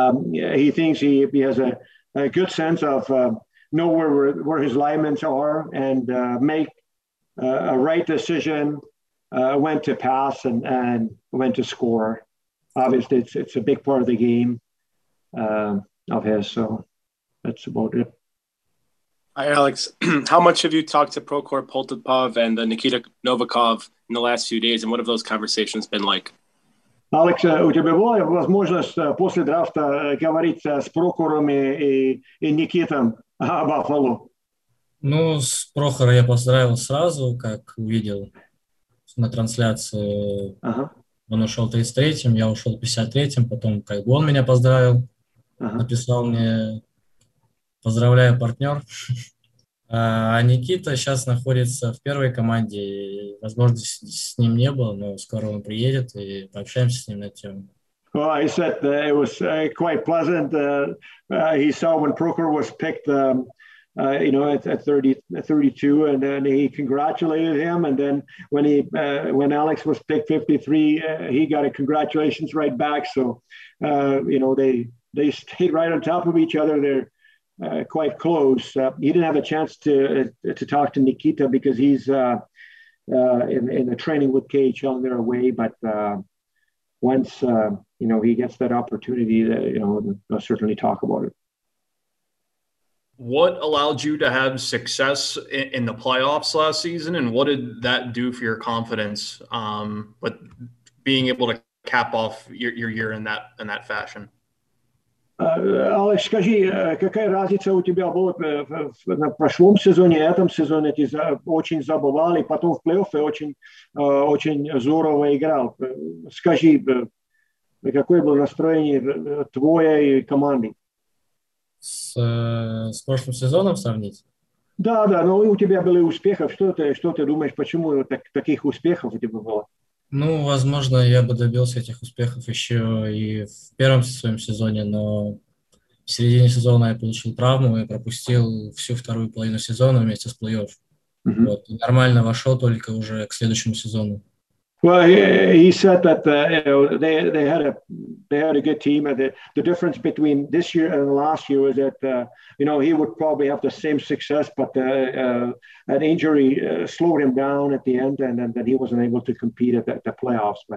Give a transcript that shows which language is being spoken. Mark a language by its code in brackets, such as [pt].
[en] He thinks he has a good sense of know where his linemen are and make a right decision when to pass and when to score. Obviously, it's a big part of the game of his, so that's about it. Hi, Alex. How much have you talked to Prokhor Poltepov and Nikita Novikov in the last few days, and what have those conversations been like? [ru] Alex, у тебя была возможность после драфта говорить с Прохором и Никитом о Баффало? Ну, с Прохором я поздравил сразу, как увидел на трансляции. Uh-huh. Он ушел 33-м, я ушел 53-м, потом как бы он меня поздравил, uh-huh. Написал мне «Поздравляю, партнер». А Никита сейчас находится в первой команде, и возможности с ним не было, но скоро он приедет, и пообщаемся с ним на тему. [en] Well, he said it was quite pleasant. He saw when Prokhor was picked, you know, at 32, and then he congratulated him, and then when he when Alex was picked 53, he got a congratulations right back. So, you know, they stayed right on top of each other there. Quite close. He didn't have a chance to talk to Nikita because he's in the training with KHL on their way. But once you know he gets that opportunity, you know, they'll certainly talk about it. What allowed you to have success in the playoffs last season, and what did that do for your confidence? But being able to cap off your year in that fashion. [ru] Алекс, скажи, какая разница у тебя была на прошлом сезоне, этом сезоне? Ты очень забывал, и потом в плей-оффе очень здорово играл. Скажи, какое было настроение твое и команды? С прошлым сезоном сравнить? Да, но у тебя были успехи. Что ты думаешь, почему таких успехов у тебя было? Ну, возможно, я бы добился этих успехов еще и в первом своем сезоне, но в середине сезона я получил травму и пропустил всю вторую половину сезона вместе с плей-офф. Mm-hmm. Вот. Нормально вошел только уже к следующему сезону. [en] Well, he said that they had a good team. The difference between this year and last year was that you know he would probably have the same success, but an injury slowed him down at the end, and then he wasn't able to compete at the playoffs.